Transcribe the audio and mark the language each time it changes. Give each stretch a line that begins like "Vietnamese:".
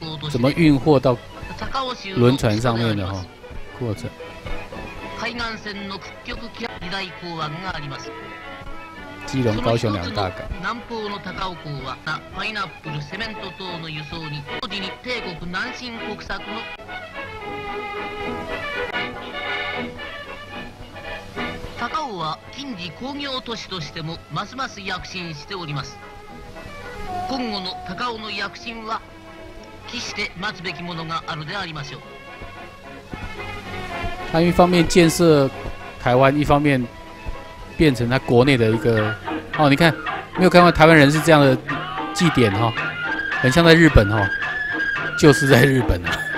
Chinese: 怎么运货到轮船上面的哦？过程。
Japanese: 海岸线の屈曲二大港湾があります。
Chinese: 基隆、高雄两大港。
Japanese: 南方の高尾港はパイナップル、セメント等の輸送に、同時に帝国南進国策の。高尾は近時工業都市としてもますます躍進しております。今後の高尾の躍進は、期して待つべきものがあるでありましょう。
Chinese: 他一方面建設台湾，一方面。变成他国内的一个哦，你看，没有看过台湾人是这样的祭典哈、哦，很像在日本哈、哦，就是在日本啊。